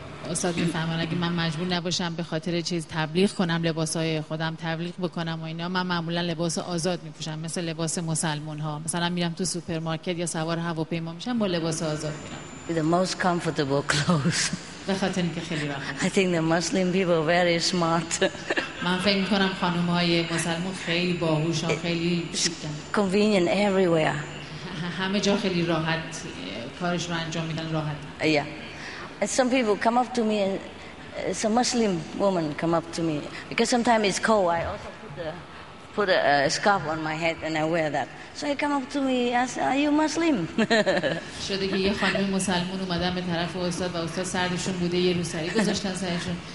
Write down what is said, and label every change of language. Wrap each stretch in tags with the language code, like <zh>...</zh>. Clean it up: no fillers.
<fa>استاد میفهمن اگه من مجبور نباشم به خاطر چیز تبلیغ کنم، لباسای خودم تبلیغ بکنم و اینا، من معمولا لباس آزاد میپوشم، مثل لباس مسلمان ها. مثلا میرم تو سوپرمارکت یا سوار هواپیما میشم با لباس آزاد میرم.</fa> <en>The most comfortable clothes.</en> <fa>به خاطر اینکه خیلی راحت.</fa> <en>I think the Muslim people are very smart.</en> <fa>من فکر میکنم خانم های مسلمان خیلی باهوش و خیلی شیکن.</fa> <en>Convenient everywhere.</en> <fa>همه جا خیلی راحت.</fa> <en>Yeah, some people come up to me, and some Muslim woman come up to me because sometimes it's cold. I also put a scarf on my head and I wear that. So he come up to me, ask, "Are you Muslim?"</en> <fa>شده که یه خانم مسلمان اومدن به طرف استاد و استاد سردشون بوده یه روسری گذاشتن سرشون.</fa>